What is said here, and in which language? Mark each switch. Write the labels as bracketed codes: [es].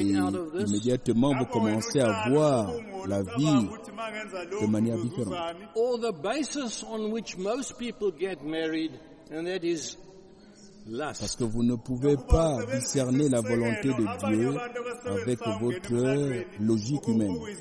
[fr] immédiatement vous commencez à voir la vie de manière différente. [en] Or the basis on which most people get married, and that is lust. [fr] Parce que vous ne pouvez pas discerner la volonté de Dieu avec votre logique humaine